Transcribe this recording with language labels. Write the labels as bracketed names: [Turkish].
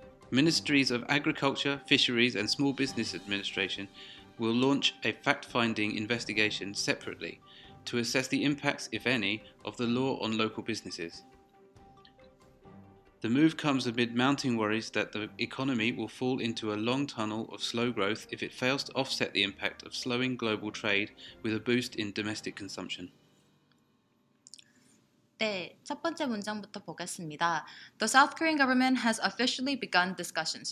[English] Ministries of Agriculture, Fisheries and Small Business Administration will launch a fact-finding investigation separately to assess the impacts, if any, of the law on local businesses. The move comes amid mounting worries that the economy will fall into a long tunnel of slow growth if it fails to offset the impact of slowing global trade with a boost in domestic consumption. [Korean] 네, 첫 번째 문장부터 보겠습니다. [English] The South Korean government has officially begun discussions.